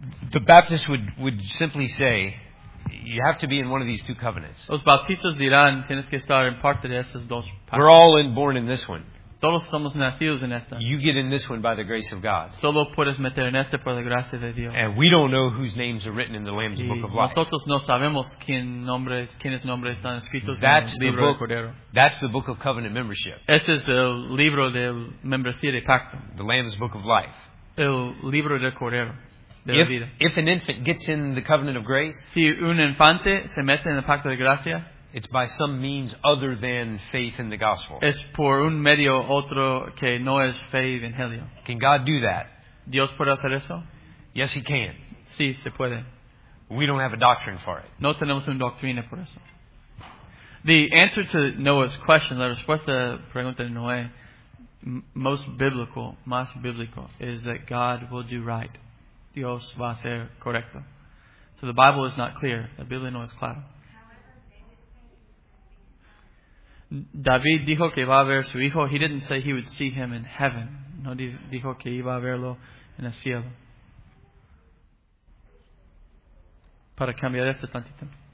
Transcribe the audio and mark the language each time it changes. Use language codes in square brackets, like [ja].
[en] The Baptist would simply say, you have to be in one of these two covenants. [es] Los bautistas dirán, tienes que estar en parte de estos dos pactos. [en] We're all born in this one. [es] Todos somos nacidos en esta. [en] You get in this one by the grace of God. [es] Solo puedes meter en esta por la gracia de Dios. [en] And we don't know whose names are written in the Lamb's Book of Life. [es] Nosotros no sabemos quiénes nombres están escritos [en] that's [es] en el libro [en] book, [es] del Cordero. [en] That's the Book of Covenant Membership. [es] Este es el libro del membresía de pacto. [en] The Lamb's Book of Life. [es] El libro del Cordero. [en] If an infant gets in the covenant of grace, [es] si un infante se mete en el pacto de gracia, [en] it's by some means other than faith in the gospel. [es] Es por un medio otro que no es fe y evangelio. [en] Can God do that? [es] ¿Dios puede hacer eso? [en] Yes, he can. [es] Sí, se puede. [en] We don't have a doctrine for it. [es] No tenemos una doctrina por eso. [en] The answer to Noah's question, [es] la respuesta a la pregunta de Noé, más [en] biblical, is that God will do right. [es] Dios va a ser correcto. [en] So the Bible is not clear. [es] La Biblia no es clara. David dijo que iba a ver su hijo. [en] He didn't say he would see him in heaven. [es] No, dijo que iba a verlo en el cielo. Para cambiar este tantito.